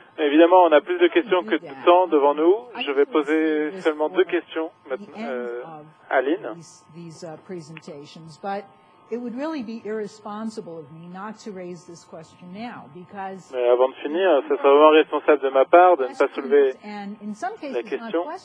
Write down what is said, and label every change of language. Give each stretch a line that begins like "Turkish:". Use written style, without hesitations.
French: Évidemment, on a plus de questions que de temps devant nous. Je vais poser seulement deux questions maintenant, à Lynn.
English: These presentations, but it would really be irresponsible of me not to raise this question now, because
French: mais avant de finir, ce serait vraiment responsable de ma part de ne pas soulever la question.